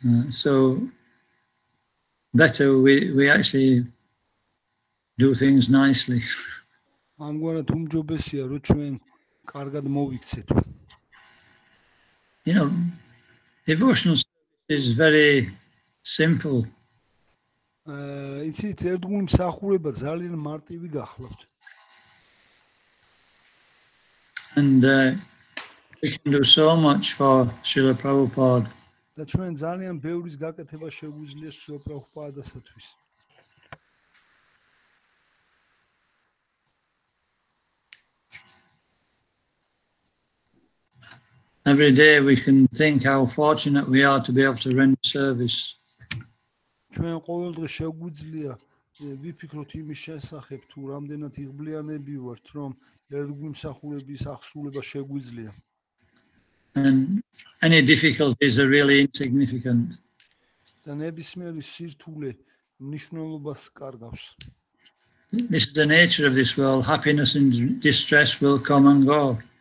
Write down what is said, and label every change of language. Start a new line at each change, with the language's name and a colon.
English: So better we actually do things nicely.
Georgian: ამგვარად უმჯობესია რომ ჩვენ კარგად მოვიქცეთ.
English: You know, devotional service is very simple.
Georgian: იცით, ერთგული მსახურება ძალიან მარტივი გახლავთ.
English: And we can do so much for Srila Prabhupada. That when
Georgian: ძალიან ბევრის გაკეთება შეგვიძლია Srila Prabhupada-სათვის.
English: Every day we can think how fortunate we are to be able to render service.
Georgian: ჩვენ ყოველ დღე შეგვიძლია ვიფიქროთ იმის შესახებ თუ რამდენად იღბლიანები ვართ რომ ერთგული მსახურების აღსრულება შეგვიძლია.
English: And any difficulties are really insignificant.
Georgian: და ნებისმიერი სირთულე მნიშვნელობას კარგავს.
English: This is the nature of this world. Happiness and distress will come and go.